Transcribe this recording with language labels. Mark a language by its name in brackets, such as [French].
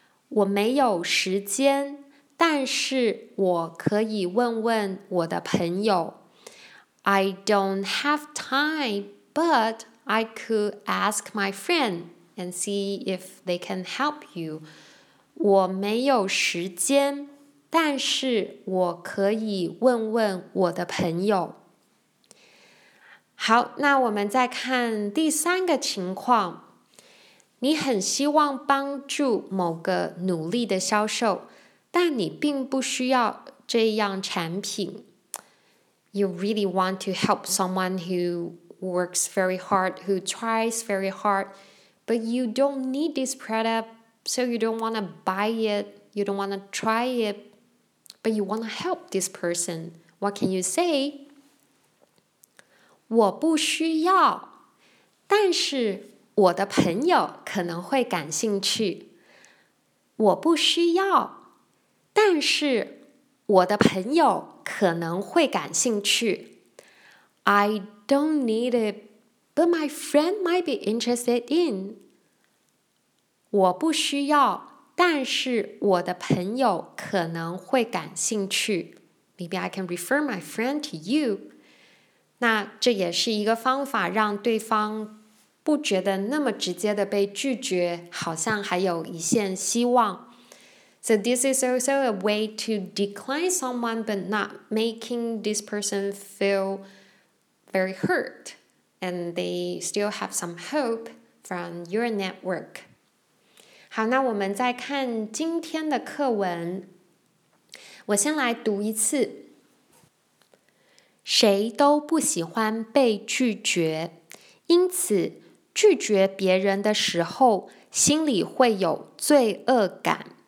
[Chinese] 我没有时间，但是我可以问问我的朋友。 [English] I don't have time, but I could ask my friend and see if they can help you. [Chinese] 我没有时间，但是我可以问问我的朋友。好，那我们再看第三个情况。你很希望帮助某个努力的销售，但你并不需要这样产品。 [English] You really want to help someone who works very hard, who tries very hard, but you don't need this product, so you don't want to buy it, you don't want to try it, but you want to help this person. What can you say? [Chinese] 我不需要，但是我的朋友可能会感兴趣。我不需要，但是我的朋友可能会感兴趣。 [English] I don't need it, but my friend might be interested in. [Chinese] 我不需要，但是我的朋友可能会感兴趣。 [English] Maybe I can refer my friend to you. [Chinese] 那这也是一个方法，让对方不觉得那么直接的被拒绝，好像还有一线希望。 [English] So this is also a way to decline someone but not making this person feel very hurt and they still have some hope from your network. [Chinese] 好，那我们再看今天的课文。我先来读一次。谁都不喜欢被拒绝，因此拒绝别人的时候心里会有罪恶感。